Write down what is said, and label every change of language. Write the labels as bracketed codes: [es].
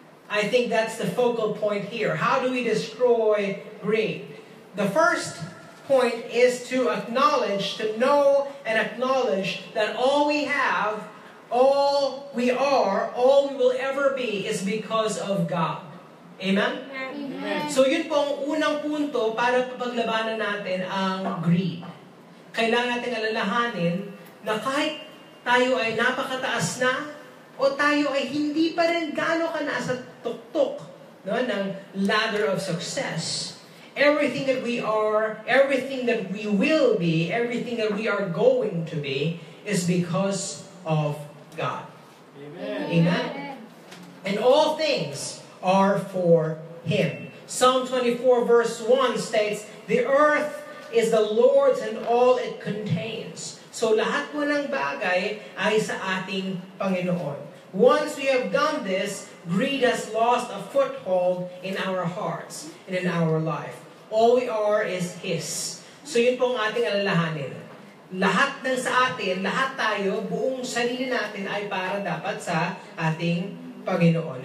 [en] I think that's the focal point here. How do we destroy greed? The first point is to acknowledge, to know and acknowledge that all we have, all we are, all we will ever be is because of God. Amen? Amen. [tl] So yun po ang unang punto para paglabanan natin ang greed. Kailangan natin alalahanin na kahit tayo ay napakataas na o tayo ay hindi pa rin gano'ng kanaas at tuktok, no, ng ladder of success, [en] everything that we are, everything that we will be, everything that we are going to be is because of God. Amen. Amen. And all things are for Him. Psalm 24 verse 1 states, the earth is the Lord's and all it contains. [tl] So lahat po ng bagay ay sa ating Panginoon. [en] Once we have done this, greed has lost a foothold in our hearts and in our life. All we are is His. [tl] So yun pong ating alalahanin. Lahat ng sa atin, lahat tayo, buong sarili natin ay para dapat sa ating Panginoon.